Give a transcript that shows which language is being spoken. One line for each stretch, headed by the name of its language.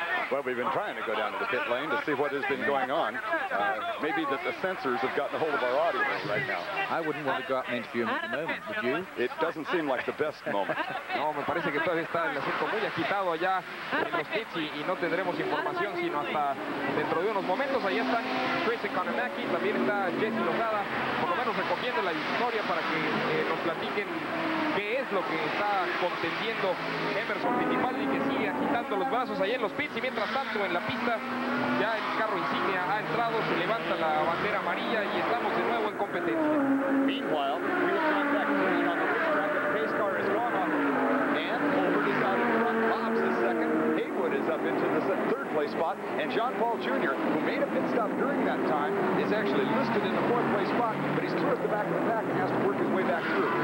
English: Well, we've been trying to go down to the pit lane to see what has been going on. Maybe that the sensors have gotten a hold of our audience right now. I wouldn't want to go out and interview him at the moment, would you? It doesn't seem like the best moment.
Spanish: No, me parece que todavía está el asunto muy agitado allá en los pits y no tendremos información sino hasta dentro de unos momentos. Ahí están Chris Economaki, también está Jesse Losada, por lo menos recogiendo la historia para que nos platiquen qué es lo que está contendiendo Emerson Fittipaldi, que sigue agitando los brazos ahí en los pits. Y mientras tanto, en la pista, ya el carro insignia ha entrado, se levanta la bandera amarilla y estamos de nuevo en competencia.
English: Meanwhile, we have contact between on the racetrack. The pace car has gone on and Holbert is out in front. Bob's the second. Haywood is up into the third place spot. And John Paul Jr., who made a pit stop during that time, is actually listed in the fourth place spot, but he's through at the back of the pack and has to work his way back through.